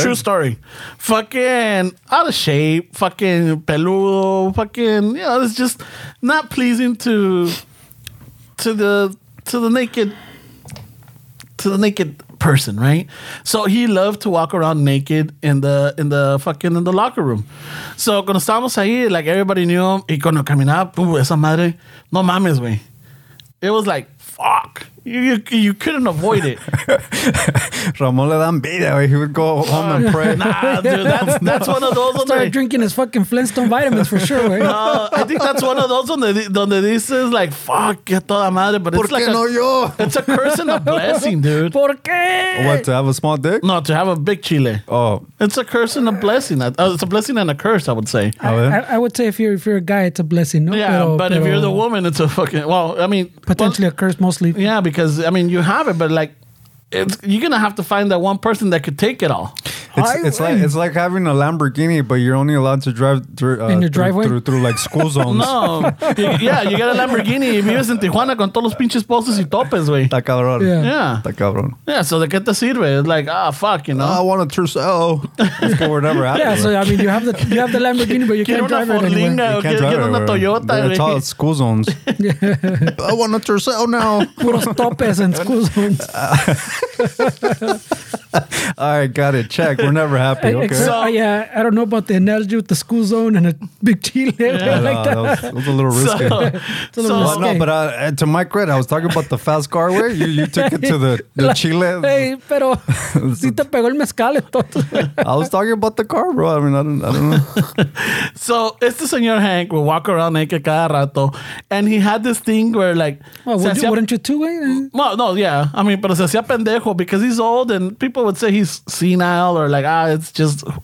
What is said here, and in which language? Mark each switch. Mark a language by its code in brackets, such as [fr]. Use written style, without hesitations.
[en] True story. Fucking out of shape, fucking peludo, fucking, you know, it's just not pleasing to the naked person, right? So he loved to walk around naked in the locker room. [es] So cuando estábamos ahí, [en] like everybody knew him, [es] y cuando caminaba, esa madre, no mames, güey. [en] It was like, fuck. You couldn't avoid it. [es] Ramon le da envidia, güey. [en] He would go home and pray. Nah, dude, that's one of those. Started drinking his fucking Flintstone vitamins for sure, güey. No, I think that's one of those [es] donde dices, [en] like, fuck, [es] que toda madre. [en] But [es] ¿por [en] it's like no a, [es] yo? [en] It's a curse and a blessing, dude. [es] ¿Por qué? [en] What, to have a small dick? No, to have a big chile. Oh. It's a curse and a blessing. It's a blessing and a curse, I would say. I would say if you're a guy, it's a blessing. No, yeah, but if you're the woman, it's a fucking, well, I mean. Potentially a curse, mostly. Yeah, because I mean, you have it, but like, you're gonna have to find that one person that could take it all. It's like having a Lamborghini, but you're only allowed to drive through in your driveway through like school zones. No, you got a Lamborghini. [es] Vives en Tijuana con todos los pinches postes y topes, güey. Está cabrón. [en] Yeah. [es] Está cabrón. [en] Yeah. So [es] de qué te sirve? [en] It's like fuck, you know. I want a trousseau. It's for whatever happens. Yeah. So I mean, you have the Lamborghini, but you can't drive it anywhere. Toyota. It's all school zones. I want a trousseau now. [es] Puros topes [en] and school zones. All right, got it. Check. We're never happy. Okay. So, I don't know about the analogy with the school zone and a big chile. Yeah, like that was a little risky. To my credit, I was talking about the fast car way. You took it to the chile. [es] Hey, pero si te pegó el mezcal entonces. [en] I was talking about the car, bro. I mean, I don't know. So, [es] este señor [en] Hank would walk around naked [es] cada rato, [en] and he had this thing where, like, wouldn't you too, way? Well, no, yeah. I mean, [es] pero se hacía pendejo [en] because he's old and people would say he's senile or like, it's just